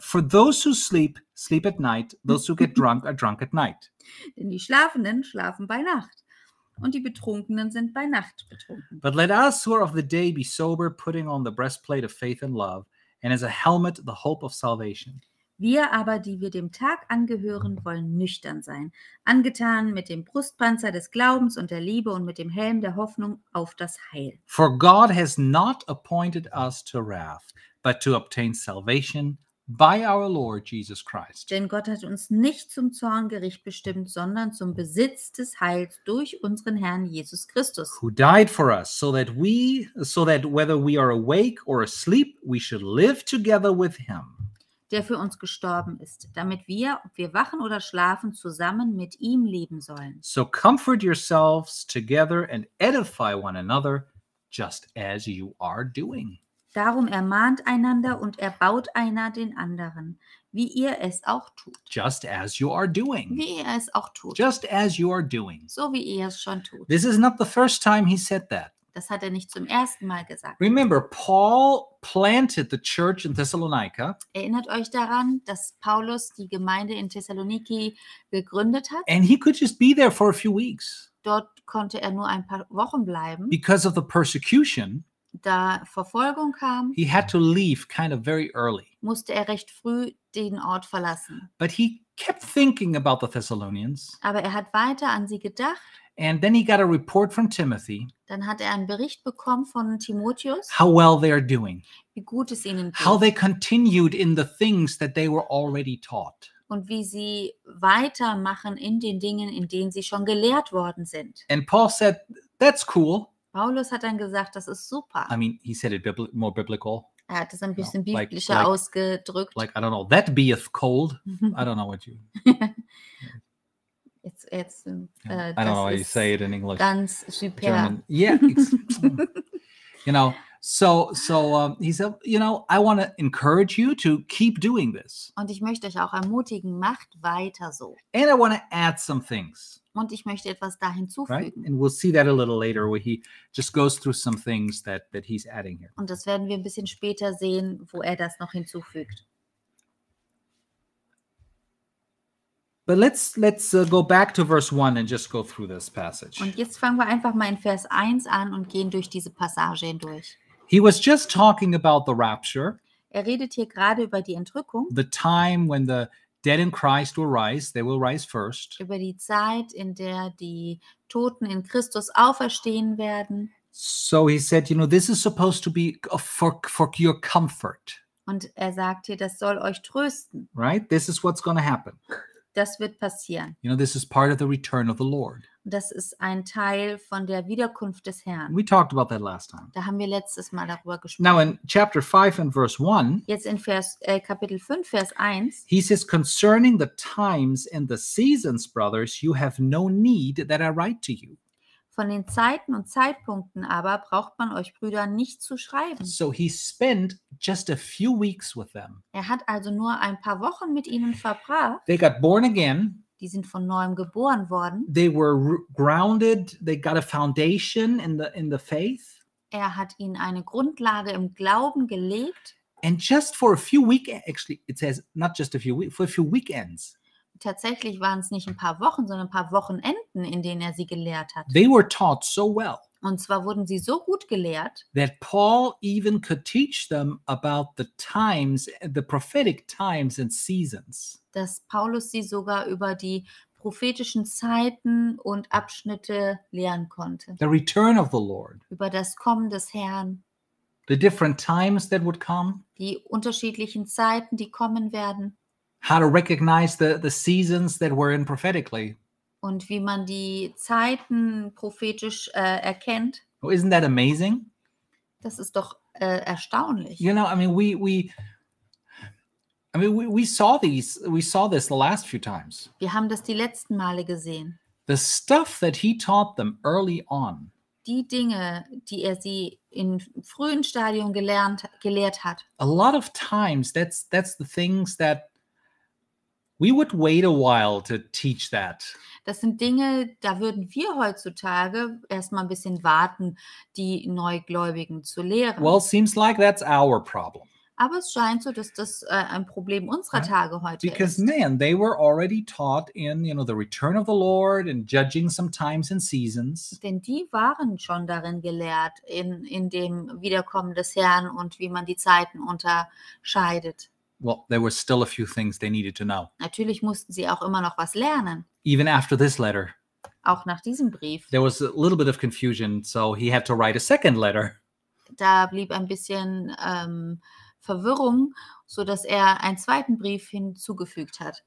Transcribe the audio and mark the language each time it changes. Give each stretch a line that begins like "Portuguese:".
English: For those who sleep, sleep at night. Those who get drunk, are drunk at night.
German: Denn die Schlafenden schlafen bei Nacht. Und die Betrunkenen sind bei Nacht betrunken.
English: But let us who are of the day be sober, putting on the breastplate of faith and love, and as a helmet the hope of salvation.
German: Wir aber, die wir dem Tag angehören, wollen nüchtern sein. Angetan mit dem Brustpanzer des Glaubens und der Liebe und mit dem Helm der Hoffnung auf das Heil.
English: For God has not appointed us to wrath, but to obtain salvation by our Lord Jesus Christ.
German: Denn Gott hat uns nicht zum Zorngericht bestimmt, sondern zum Besitz des Heils durch unseren Herrn Jesus Christus.
English: Who died for us, so that whether we are awake or asleep, we should live together with him.
German: Der für uns gestorben ist, damit wir, ob wir wachen oder schlafen, zusammen mit ihm leben sollen.
English: So comfort yourselves together and edify one another, just as you are doing.
German: Darum ermahnt einander und erbaut einer den anderen, wie ihr es auch tut.
English: Just as you are doing.
German: Wie ihr es auch tut.
English: Just as you are doing.
German: So wie ihr es schon tut.
English: This is not the first time he said that.
German: Das hat er nicht zum ersten Mal gesagt.
English: Remember, Paul planted the church in Thessalonica.
German: Erinnert euch daran, dass Paulus die Gemeinde in Thessaloniki gegründet hat.
English: And he could just be there for a few weeks.
German: Dort konnte er nur ein paar Wochen bleiben.
English: Because of the persecution,
German: da Verfolgung kam,
English: he had to leave kind of very early.
German: Musste er recht früh den Ort verlassen.
English: But he kept thinking about the Thessalonians.
German: Aber er hat weiter an sie gedacht.
English: And then he got a report from Timothy.
German: Dann hat er einen Bericht bekommen von Timotheus.
English: How well they are doing.
German: Wie gut es ihnen geht.
English: How they continued in the things that they were already taught.
German: Und wie sie weitermachen in den Dingen, in denen sie schon gelehrt worden sind.
English: And Paul said, that's cool.
German: Paulus hat dann gesagt, das ist super.
English: I mean, he said it more biblical.
German: Er hat es ein bisschen biblischer ausgedrückt.
English: Like, I don't know, that beeth cold. I don't know what you... It's I don't know how you say it in English.
German: Ganz super.
English: German. Yeah. You know, So he said, you know, I want to encourage you to keep doing this.
German: Und ich möchte euch auch ermutigen, macht weiter so.
English: And I want to add some things.
German: Und ich möchte etwas da hinzufügen.
English: Right? And we'll see that a little later, where he just goes through some things that he's adding here.
German: Und das werden wir ein bisschen später sehen, wo er das noch hinzufügt.
English: But let's go back to verse 1 and just go through this passage.
German: Und jetzt fangen wir einfach mal in Vers 1 an und gehen durch diese Passage hindurch.
English: He was just talking about the rapture.
German: Er redet hier gerade über die Entrückung.
English: The time when the dead in Christ will rise, they will rise first.
German: Über die Zeit, in der die Toten in Christus auferstehen werden.
English: So he said, you know, this is supposed to be for your comfort.
German: Und er sagt hier, das soll euch trösten.
English: Right? This is what's going to happen.
German: Das wird passieren.
English: You know, this is part of the return of the Lord.
German: Das ist ein Teil von der Wiederkunft des Herrn.
English: We talked about that last time.
German: Da haben wir letztes Mal darüber gesprochen.
English: Now in chapter 5 and verse 1.
German: Jetzt in Kapitel 5, Vers 1.
English: He says, concerning the times and the seasons, brothers, you have no need that I write to you.
German: Von den Zeiten und Zeitpunkten aber braucht man euch Brüder nicht zu schreiben.
English: So he spent just a few weeks with them.
German: Er hat also nur ein paar Wochen mit ihnen verbracht.
English: They got born again.
German: Die sind von neuem geboren worden.
English: They were grounded. They got a foundation in the faith.
German: Er hat ihnen eine Grundlage im Glauben gelegt.
English: And just for a few weeks, actually, it says not just a few weeks, for a few weekends.
German: Tatsächlich waren es nicht ein paar Wochen, sondern ein paar Wochenenden, in denen er sie gelehrt hat.
English: They were taught so well.
German: Und zwar wurden sie so gut gelehrt,
English: that Paul even could teach them about the times, the prophetic times and seasons.
German: Dass Paulus sie sogar über die prophetischen Zeiten und Abschnitte lehren konnte.
English: The return of the Lord.
German: Über das Kommen des Herrn.
English: The different times that would come.
German: Die unterschiedlichen Zeiten, die kommen werden.
English: How to recognize the seasons that we're in prophetically.
German: Und wie man die Zeiten prophetisch erkennt.
English: Oh, isn't that amazing?
German: Das ist doch erstaunlich.
English: You know, we saw this the last few times.
German: Wir haben das die letzten Male gesehen.
English: The stuff that he taught them early on.
German: Die Dinge, die er sie in frühen Stadium gelehrt hat.
English: A lot of times that's the things that we would wait a while to teach that.
German: Das sind Dinge, da würden wir heutzutage erstmal ein bisschen warten, die Neugläubigen zu lehren.
English: Well, seems like that's our problem. Aber es scheint so, dass das ein Problem unserer Tage heute Because,
German: ist.
English: Because man, they were already taught in, you know, the return of the Lord and judging some times and seasons.
German: Denn die waren schon darin gelehrt in dem Wiederkommen des Herrn und wie man die Zeiten unterscheidet.
English: Well, there were still a few things they needed to know.
German: Natürlich mussten sie auch immer noch was lernen.
English: Even after this letter.
German: Auch nach diesem Brief.
English: There was a little bit of confusion, so he had to write a second letter.
German: Da blieb ein bisschen Verwirrung, so dass er einen zweiten Brief hinzugefügt hat.